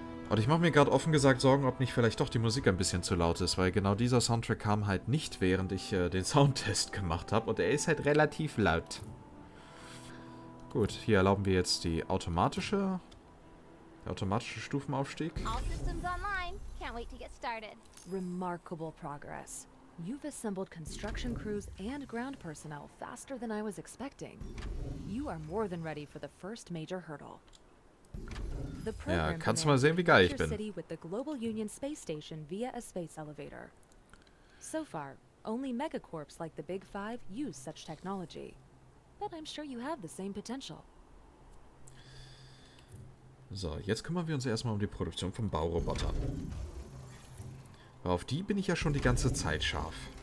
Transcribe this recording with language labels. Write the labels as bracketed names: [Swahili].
[German] Und ich mache mir gerade offen gesagt Sorgen, ob nicht vielleicht doch die Musik ein bisschen zu laut ist, weil genau dieser Soundtrack kam halt nicht, während ich den Soundtest gemacht habe und er ist halt relativ laut. Gut, hier erlauben wir jetzt der automatische Stufenaufstieg. [English] All systems online. Can't wait to get started. Remarkable progress. You've assembled construction crews and ground personnel faster than I was expecting. You are more than ready for the first major hurdle. The program [German] ja, kannst du mal sehen, wie geil ich bin. [English] City with the Global Union Space Station via a space elevator. So far, only megacorps like the Big Five use such technology. But I'm sure you have the same potential. [German] So, jetzt kümmern wir uns erstmal um die Produktion von Baurobotern. Auf die bin ich ja schon die ganze Zeit scharf.